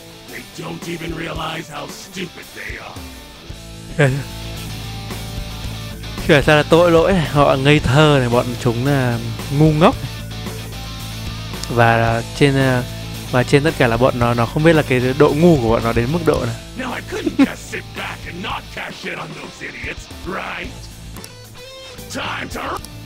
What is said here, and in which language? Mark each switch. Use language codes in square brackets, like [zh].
[en] they don't even realize how stupid they are. [vi] Chả sao là tội lỗi này. Họ ngây thơ này, bọn chúng là ngu ngốc. Và trên tất cả là bọn nó không biết là cái độ ngu của bọn nó đến mức độ nào. [en] Now I couldn't just sit back and not cash in on those idiots, right? Time to